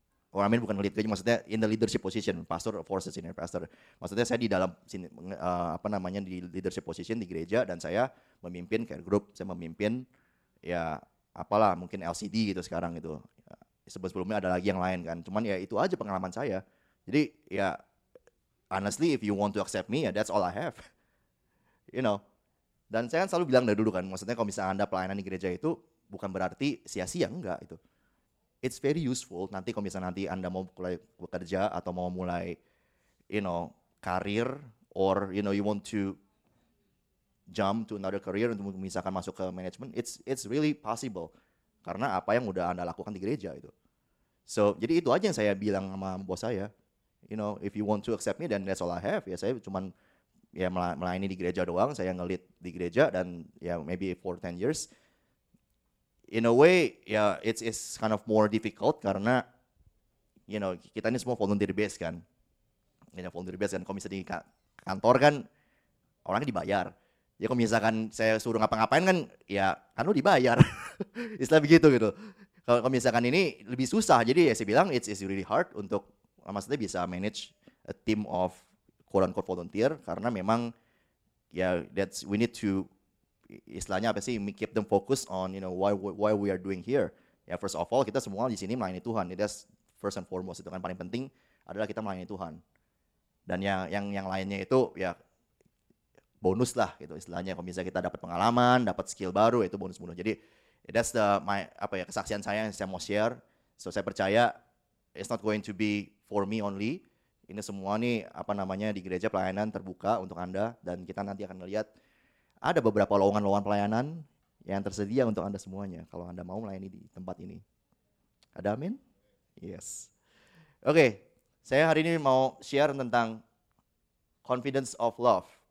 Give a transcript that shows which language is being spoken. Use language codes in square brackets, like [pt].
[en] Oh, I mean [id] bukan ngelit gereja, maksudnya [en] in the leadership position, pastor for senior pastor. [id] Maksudnya saya di dalam di [en] leadership position [id] di gereja, dan saya memimpin care group, saya memimpin ya apalah mungkin LCD gitu sekarang gitu. Sebelumnya ada lagi yang lain kan, cuman ya itu aja pengalaman saya. Jadi ya [en] honestly, if you want to accept me, yeah, that's all I have, you know. [id] Dan saya kan selalu bilang dari dulu kan, maksudnya kalau misalnya Anda pelayanan di gereja itu bukan berarti sia-sia, enggak itu. [en] It's very useful [id] nanti kalau misalnya nanti Anda mau mulai bekerja atau mau mulai, [en] you know, karir, or you know you want to jump to another career [id] untuk misalkan masuk ke management, [en] it's really possible. [id] Karena apa yang udah Anda lakukan di gereja itu. [en] So, [id] jadi itu aja yang saya bilang sama bos saya. [en] You know, if you want to accept me, then that's all I have. [id] Ya, saya cuman ya melayani di gereja doang, saya ngelit di gereja, dan ya [en] maybe for 10 years. In a way, ya it's kind of more difficult, [id] karena you know, kita ini semua volunteer base kan. Ini volunteer base kan, kalau misalnya di kantor kan orangnya dibayar. Ya kalau misalkan saya suruh ngapa-ngapain kan, ya kan lu dibayar. Istilah begitu gitu. Kalau misalkan ini lebih susah, jadi ya saya bilang [en] it's really hard [id] untuk maksudnya bisa [en] manage a team of quote-unquote volunteer, [id] karena memang ya [en] that's we need to [id] istilahnya apa sih, [en] keep them focus on you know why we are doing here. [id] Ya [en] first of all [id] kita semua di sini melayani Tuhan, [en] that's first and foremost, [id] itu kan paling penting adalah kita melayani Tuhan. Dan yang lainnya itu ya bonus lah gitu istilahnya, kalau misalnya kita dapat pengalaman, dapat skill baru, itu bonus. Jadi [en] that's the my [id] apa ya kesaksian saya yang saya mau share. So saya percaya [en] it's not going to be for me only. [id] Ini semua nih apa namanya di gereja pelayanan terbuka untuk Anda, dan kita nanti akan melihat ada beberapa lowongan-lowongan pelayanan yang tersedia untuk Anda semuanya kalau Anda mau melayani di tempat ini. Ada amin? [en] Yes. [id] Oke, saya hari ini mau share tentang confidence of love.